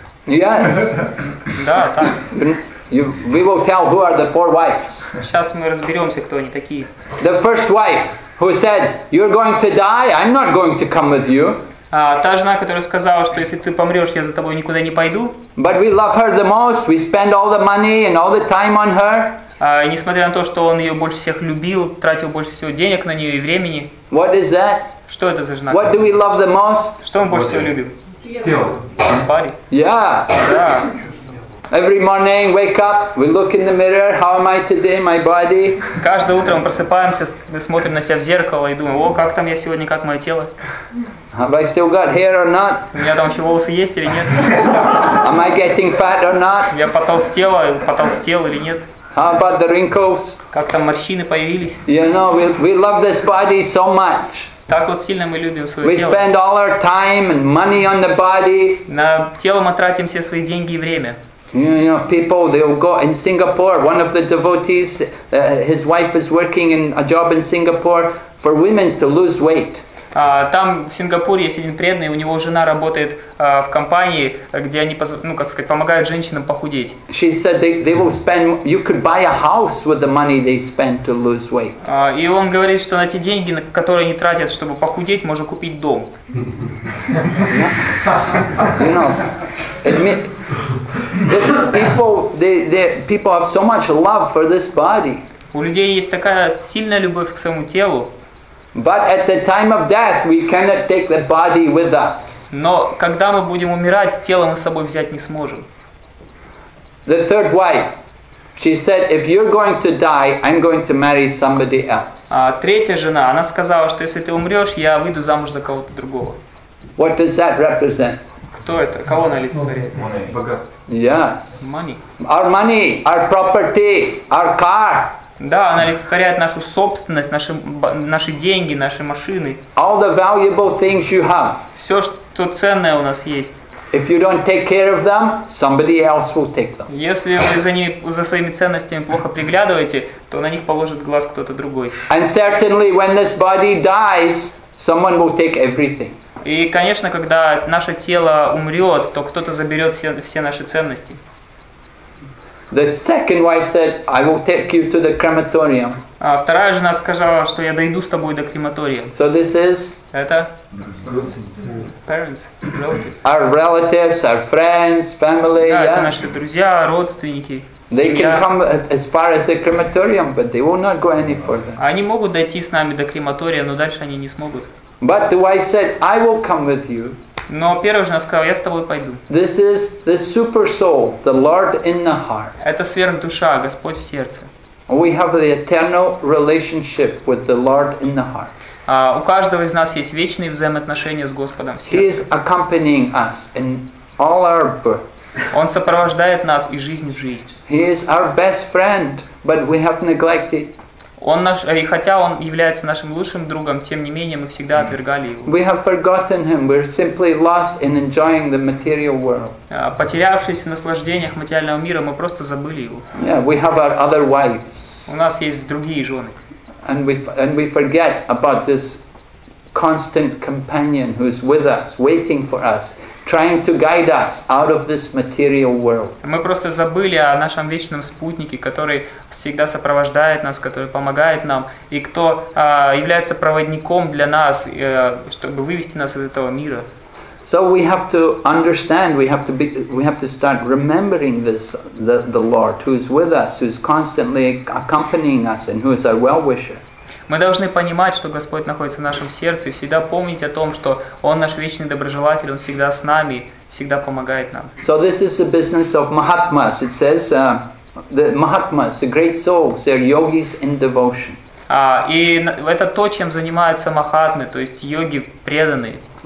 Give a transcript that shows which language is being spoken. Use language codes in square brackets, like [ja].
[en] Yes. [ru] Да, так. [en] We will tell who are the four wives. [ru] Сейчас мы разберемся, кто они такие. [en] The first wife who said, "You're going to die. I'm not going to come with you." [ru] Та жена, которая сказала, что если ты помрешь, я за тобой никуда не пойду. [en] But we love her the most. We spend all the money and all the time on her. [ru] Несмотря на то, что он ее больше всех любил, тратил больше всего денег на нее и времени. [en] What is that? [ru] Что это за жена? [en] What do we love the most? [ru] Что мы больше всего любим? Тело. [en] Body. Yeah. Yeah. Every morning, wake up, we look in the mirror. How am I today, my body? [ru] Каждое утро мы просыпаемся, мы смотрим на себя в зеркало и думаем: о, как там я сегодня, как мое тело? [en] Have I still got hair or not? [ru] У меня там еще волосы есть или нет? [en] Am I getting fat or not? [ru] Я потолстел или нет? [en] How about the wrinkles? [ru] Как там морщины появились? [en] You know, we love this body so much. [ru] Так вот сильно мы любим свое [en] we [ru] тело. [en] We spend all our time and money on the body. [ru] На тело мы тратим все свои деньги и время. [en] You know, people, they will go in Singapore. One of the devotees, his wife is working in a job in Singapore for women to lose weight. [ru] Там в Сингапуре есть один преданный, у него жена работает в компании, где они, ну как сказать, помогают женщинам похудеть. [en] She said they will spend. You could buy a house with the money they spend to lose weight. [ru] И он говорит, что на те деньги, которые они тратят, чтобы похудеть, можно купить дом. [en] You know, people have so much love for this body. [ru] У людей есть такая сильная любовь к своему телу. [en] But at the time of death, we cannot take the body with us. [ru] Но когда мы будем умирать, тело мы с собой взять не сможем. [en] The third wife, she said, "If you're going to die, I'm going to marry somebody else." [ru] Третья жена, она сказала, что если ты умрешь, я выйду замуж за кого-то другого. [en] What does that represent? [ru] Кто это? Кого она олицетворяет? [en] Money, [ru] богатство. [en] Yes. Money. Our money, our property, our car. [ru] Да, она олицетворяет нашу собственность, наши деньги, наши машины. [en] All the valuable things you have. [ru] Все, что ценное у нас есть. [en] If you don't take care of them, somebody else will take them. [ru] Если вы за своими ценностями плохо приглядываете, то на них положит глаз кто-то другой. [en] And certainly, when this body dies, someone will take everything. [ru] И, конечно, когда наше тело умрет, то кто-то заберет все наши ценности. [en] The second wife said, "I will take you to the crematorium." [ru] Вторая жена сказала, что я дойду с тобой до крематория. [en] So this is. [ru] Это. [en] Parents, relatives. Our relatives, our friends, family. [ru] Да, [en] yeah? [ru] Это наши друзья, родственники. [en] They [ru] семья. [en] Can come as far as the crematorium, but they will not go any further. [ru] Они могут дойти с нами до крематория, но дальше они не смогут. [en] But the wife said, "I will come with you." [ru] Но первая жена сказала: я с тобой пойду. [en] This is the super soul, the Lord in the heart. [ru] Это сверхдуша, Господь в сердце. [en] We have the eternal relationship with the Lord in the heart. [ru] У каждого из нас есть вечные взаимоотношения с Господом в сердце. [en] He is accompanying us in all our births. [ru] Он сопровождает нас и жизнь в жизнь. [en] He is our best friend, but we have neglected. [ru] Он наш, и хотя он является нашим лучшим другом, тем не менее мы всегда отвергали его. [en] We have forgotten him. We're simply lost in enjoying the material world. [ru] Потерявшись в наслаждениях материального мира, мы просто забыли его. [en] Yeah, we have our other wives. [ru] У нас есть другие жены. [en] And we forget about this constant companion who's with us, waiting for us, trying to guide us out of this material world. [ru] Мы просто забыли о нашем вечном спутнике, который всегда сопровождает нас, который помогает нам, и кто является проводником для нас, чтобы вывести нас из этого мира. [en] So we have to understand, we have to start remembering this, the Lord, who is with us, who is constantly accompanying us, and who is our well-wisher. [ru] Мы должны понимать, что Господь находится в нашем сердце, и всегда помнить о том, что Он наш вечный доброжелатель, Он всегда с нами, всегда помогает нам. [en] So this is the business of Mahatmas. It says the Mahatmas, the great souls, they're yogis in devotion. [ru] И это то, чем занимаются махатмы, то есть йоги преданные.